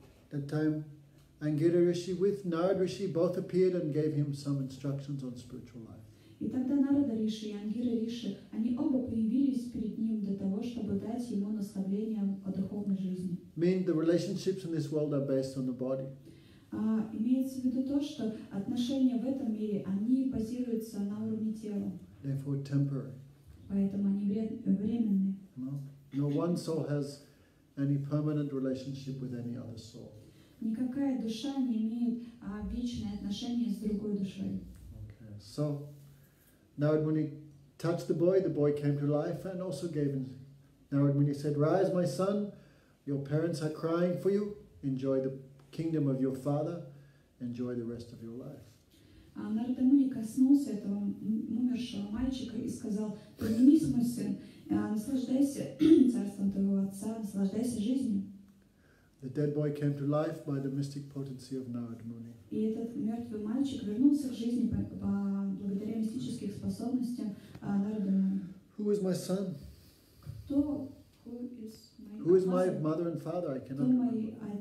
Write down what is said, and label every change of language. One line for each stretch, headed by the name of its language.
English: that time, Angira Rishi with Narad Rishi both appeared and gave him some instructions on spiritual life.
Russian: И тогда Нарада Риши и Ангира Риши, они оба появились перед ним для того, чтобы дать ему наставление о духовной жизни.
English: Mean the relationships in this world are based on the body.
Russian: Имеется в виду то, что отношения в этом мире, они базируются на уровне тела.
English: Therefore temporary.
Russian: Поэтому они временные.
English: No one soul has any permanent relationship with any other soul.
Russian: Никакая душа не имеет вечное отношение с другой душой.
English: Okay. So Narad Muni touched the boy came to life and also gave him. Narad Muni said, "Rise, my son, your parents are crying for you. Enjoy the kingdom of your father. Enjoy the rest of your life."
Russian: Narad Muni коснулся этого умершего мальчика и сказал, "Поднимись, мой сын, наслаждайся царством твоего отца, наслаждайся жизнью."
English: The dead boy came to life by the mystic potency of Narad Muni.
Russian: И этот мертвый мальчик вернулся к жизни благодаря мистическим способностям Нарада Муни.
English: Who is my son?
Russian: Кто?
English: Who is my my mother and father, I cannot remember.